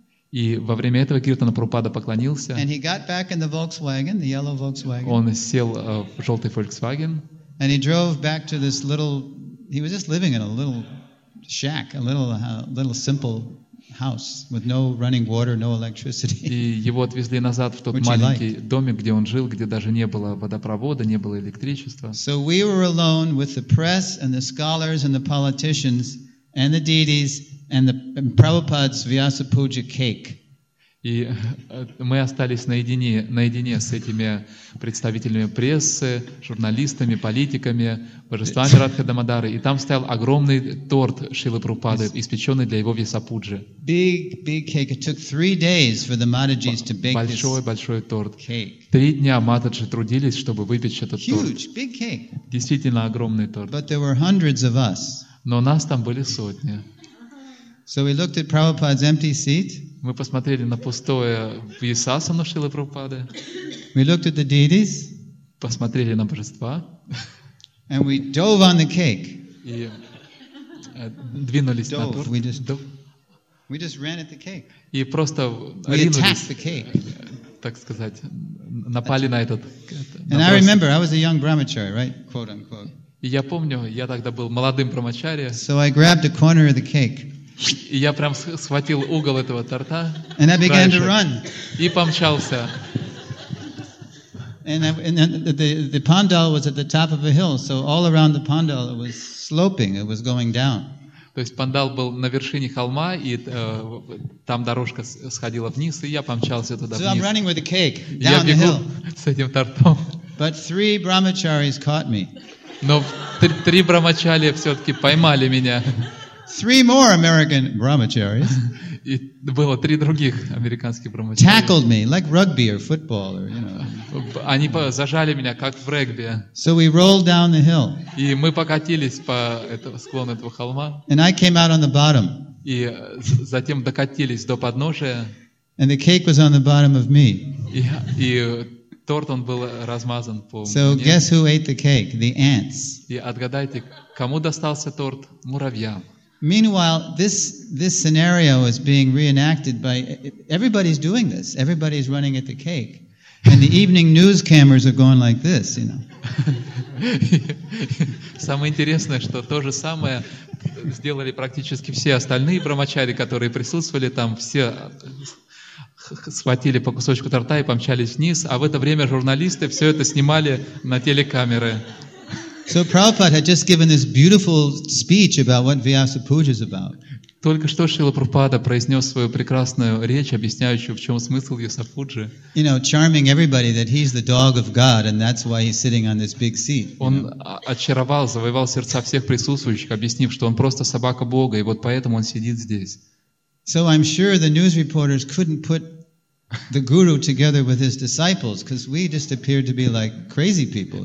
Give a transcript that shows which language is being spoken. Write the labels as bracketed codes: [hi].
[ru] И во время этого киртана Прабхупада поклонился. [en] And he got back in the Volkswagen, the yellow Volkswagen. [ru] Он сел в желтый Volkswagen. [en] And he drove back to this little, he was just living in a little shack, a little simple house with no running water, no electricity. [ru] И его отвезли назад в тот маленький домик, где он жил, где даже не было водопровода, не было электричества. [en] So we were alone with the press and the scholars and the politicians and the deities. And Prabhupada's Vyasa Puja cake. [ru] И мы остались наедине с этими представителями прессы, журналистами, политиками, божествами Радхи Дамодары. И там стоял огромный торт Шрилы Прабхупады, испеченный для его Вьясапуджи. [en] Big, big cake. It took 3 days for the Матаджис to bake this cake. [ru] Большой торт. 3 дня Матаджи трудились, чтобы выпечь этот торт. [en] Huge, big cake. [ru] Действительно огромный торт. [en] But there were hundreds of us. [ru] Но нас там были сотни. [en] So we looked at Prabhupada's empty seat. [ru] Мы посмотрели на пустое висасану Шрилы Прабхупады. [en] We looked at the deities. [ru] Посмотрели на божества. [en] And we dove on the cake. [ru] И двинулись на торт. [en] We just ran at the cake. [ru] И просто ринулись. [en] We attacked the cake. [ru] Так сказать, напали на этот. [en] And I remember, I was a young brahmachari, right? Quote unquote. [ru] И я помню, я тогда был молодым брахмачари. [en] So I grabbed a corner of the cake. [ru] И я прям схватил угол этого торта [en] and I began to run. [ru] И помчался. [en] And the pandal was at the top of a hill, so all around the pandal it was sloping, it was going down. [ru] То есть пандал был на вершине холма, и там дорожка сходила вниз, и я помчался туда вниз. [en] So I'm running with the cake down the hill. [ru] С этим тортом. [en] But 3 brahmacharis caught me. [ru] Но 3 брахмачари все-таки поймали меня. [en] 3 more American brahmacharis. [ru] И было 3 других американских брахмачари. [en] Tackled me like rugby or football, or, you know. [ru] Они зажали меня как в регби. [en] So we rolled down the hill. [ru] И мы покатились по склону этого холма. [en] And I came out on the bottom. [ru] И затем докатились до подножия. [en] And the cake was on the bottom of me. [ru] И торт он был размазан по So мне. [en] Guess who ate the cake? The ants. [ru] И отгадайте, кому достался торт? Муравьям. [en] Meanwhile, this scenario is being reenacted by everybody's doing this. Everybody's running at the cake. And the evening news cameras are going like this, you know. [ru] Самое интересное, что то же самое сделали практически все остальные брамачари, которые присутствовали там, все схватили по кусочку торта и помчались вниз, а в это время журналисты все это снимали на телекамеры. [en] So Prabhupada had just given this beautiful speech about what Vyasa Puja is about. [ru] Только что Шрила Прабхупада произнес свою прекрасную речь, объясняющую, в чем смысл Вьясапуджи. [en] You know, charming everybody that he's the dog of God, and that's why he's sitting on this big seat. [ru] Он очаровал, завоевал сердца всех присутствующих, объяснив, что он просто собака Бога, и вот поэтому он сидит здесь. [en] So I'm sure the news reporters couldn't put the guru together with his disciples, because we just appeared to be like crazy people.